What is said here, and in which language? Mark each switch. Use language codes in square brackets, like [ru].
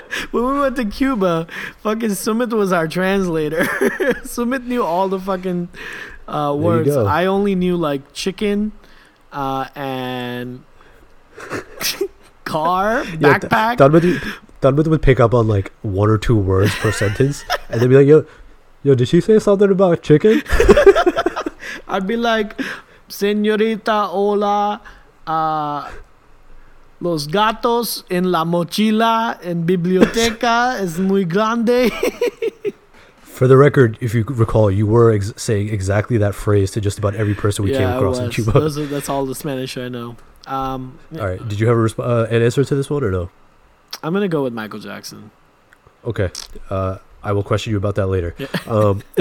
[en] When we went to Cuba, fucking Sumit was our translator. Sumit knew all the fucking words. I only knew like chicken and car, backpack. Dunbar would pick up on like one or two words per sentence and then be like, yo, did she say something about chicken? I'd be like, [es] señorita, hola, los gatos en la mochila en biblioteca es muy grande. [en] For the record, if you recall, you were saying exactly that phrase to just about every person we came across in Cuba. That's all the Spanish I know. All right. Did you have an answer to this one or no? I'm going to go with Michael Jackson. Okay. I will question you about that later. Yeah.